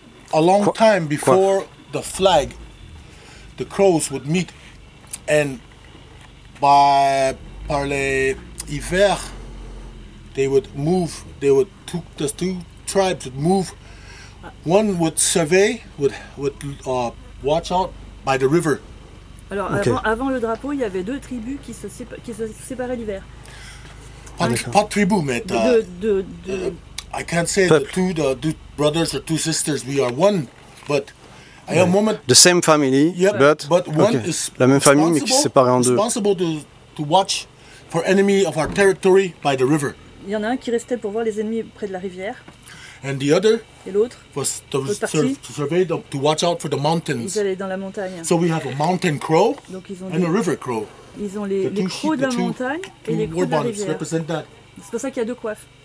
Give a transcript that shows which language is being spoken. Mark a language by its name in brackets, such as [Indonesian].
[English] A long time before the flag, the crows would meet, and [French] par les hiver, [English] they would move. They would the two tribes would move. One would survey, would watch out by the river. [French] Alors, avant le drapeau, il y avait deux tribus qui se séparaient l'hiver. pas tribu, mais de [English] I can't say peuple. the two brothers or two sisters, we are one, but I have a moment. The same family, yep. but one okay. is [French] la même famille mais qui se sépare en deux. [English] Responsible to watch for enemy of our territory by the river. [French] Il y en a un qui restait pour voir les ennemis près de la rivière. [English] And the other [French] et l'autre [English] was to survey to watch out for the mountains. [French] Ils allaient dans la montagne. [English] So we have a mountain crow [French] donc ils ont [English] and [French] des, [English] a river crow. [French] Ils ont les crocs de la montagne et les crocs de la rivière. [English] Represent that. [French] C'est pour ça qu'il y a deux coiffes.